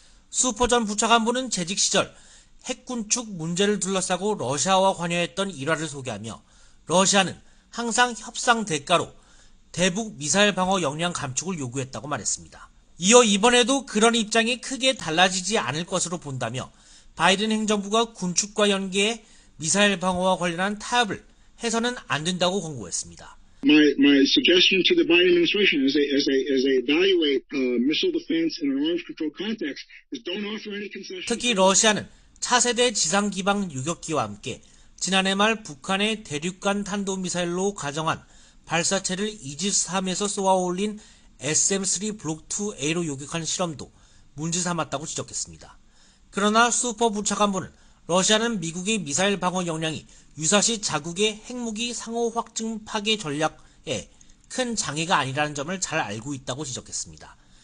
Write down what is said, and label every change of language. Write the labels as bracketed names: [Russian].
[Korean] 슈퍼 전 부차관보는 재직 시절 핵 군축 문제를 둘러싸고 러시아와 관여했던 일화를 소개하며 러시아는 항상 협상 대가로 대북 미사일 방어 역량 감축을 요구했다고 말했습니다. 이어 이번에도 그런 입장이 크게 달라지지 않을 것으로 본다며 바이든 행정부가 군축과 연계해 미사일 방어와 관련한 타협을 해서는 안 된다고 권고했습니다. [English] My suggestion to the Biden administration as they evaluate missile defense in an arms control context is don't offer any concessions. [Korean] 특히 러시아는 차세대 지상 기방 유격기와 함께 지난해 말 북한의 대륙간 탄도미사일로 가정한 발사체를 이지스함에서 쏘아올린 SM-3 블록 2A로 요격한 실험도 문제 삼았다고 지적했습니다. 그러나 슈퍼 부차관보는 러시아는 미국의 미사일 방어 역량이 유사시 자국의 핵무기 상호 확증 파괴 전략에 큰 장애가 아니라는 점을 잘 알고 있다고 지적했습니다.